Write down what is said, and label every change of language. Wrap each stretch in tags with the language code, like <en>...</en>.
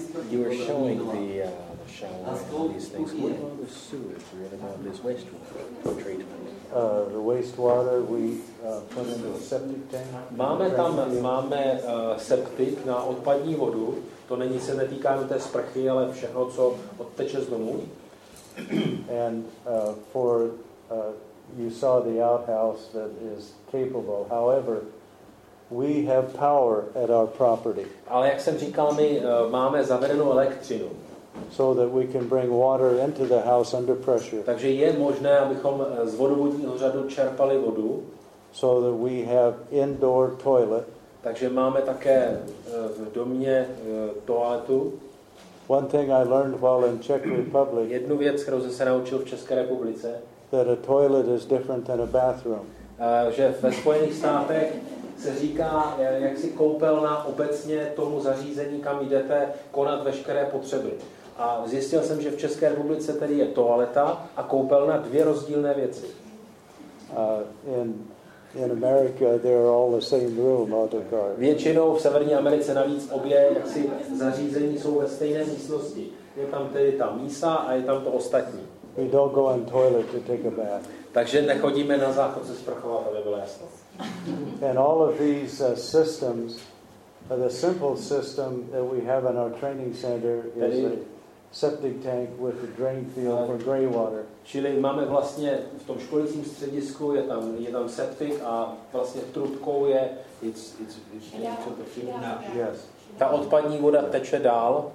<en>You were showing the shower and these things. What about the sewage? We had about this wastewater treatment. The wastewater we put into a septic tank.</en> <cs>Máme septic na odpadní vodu. To není se netýká té sprchy, ale všeho, co odteče z domu.</cs> <en>And for you saw the outhouse that is capable. However, we have power at our property.</en> <cs>Ale jak jsem říkal, my máme zavedenou elektřinu.</cs> <en>So that we can bring water into the house under pressure.</en> <cs>Takže je možné, abychom z vodovodního řadu čerpali vodu.</cs> <en>So that we have indoor toilet.</en> <cs>Takže máme také v domě toaletu.</cs> <en>One thing I learned while in Czech Republic.</en> <cs>Jednu věc, kterou jsem se naučil v České republice.</cs> <en>That a toilet is different than a bathroom.</en> <cs>Že ve Spojených státech se říká, jak si koupelna obecně tomu zařízení, kam jdete konat veškeré potřeby. A zjistil jsem, že v České republice tedy je toaleta a koupelna dvě rozdílné věci.</cs> <en>In America they are all the same room, autocar.</en> <cs>Většinou v Severní Americe navíc obě jaksi zařízení jsou ve stejné místnosti. Je tam tedy ta mísa a je tam to ostatní.</cs> <en>We don't go on toilet to take a bath.</en> <cs>Takže nechodíme na záchod se sprchovat, aby bylo jasno.</cs> <en>And all of these systems, the simple system that we have in our training center is a septic tank with a drain field for gray water.</en> <cs>Čili máme vlastně v tom školicím středisku je tam septic a vlastně trubkou je</cs> <en>yes.</en> <cs>Ta odpadní voda teče dál</cs>